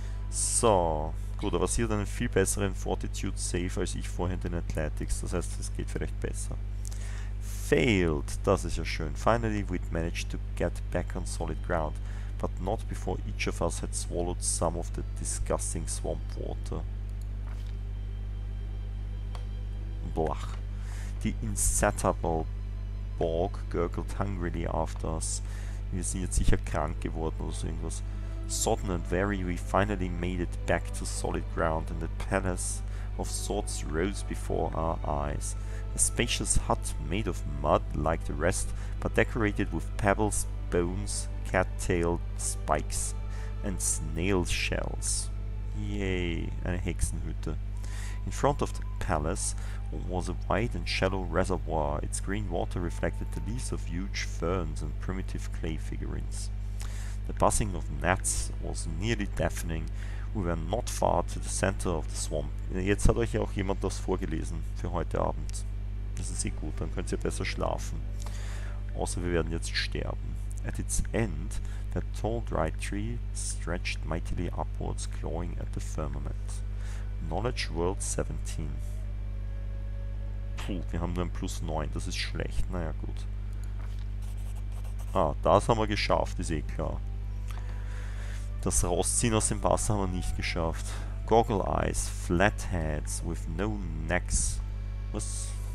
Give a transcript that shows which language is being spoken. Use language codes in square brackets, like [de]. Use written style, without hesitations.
[de] So, gut, aber sie hat einen viel besseren Fortitude-Save als ich vorhin in Athletics, das heißt, es geht vielleicht besser. Failed, das ist ja schön. [en] Finally, we'd managed to get back on solid ground, but not before each of us had swallowed some of the disgusting swamp water. Blach. The insatiable bog gurgled hungrily after us. [de] Wir sind jetzt sicher krank geworden oder so irgendwas. [en] Sodden and weary, we finally made it back to solid ground and the palace of sorts rose before our eyes. A spacious hut made of mud like the rest, but decorated with pebbles, bones, cattail spikes and snail shells. [de] Yay, eine Hexenhütte. [en] In front of the palace was a wide and shallow reservoir. Its green water reflected the leaves of huge ferns and primitive clay figurines. The buzzing of gnats was nearly deafening. We were not far to the center of the swamp. [de] Jetzt hat euch ja auch jemand das vorgelesen für heute Abend. Das ist eh gut, dann könnt ihr besser schlafen. Außer wir werden jetzt sterben. [en] At its end, the tall dry tree stretched mightily upwards, clawing at the firmament. Knowledge World 17. [de] Puh, wir haben nur ein plus 9, das ist schlecht. Naja, gut. Ah, das haben wir geschafft, ist eh klar. Das Rausziehen aus dem Wasser haben wir nicht geschafft. [en] Goggle Eyes, Flatheads with no necks. [de] Was?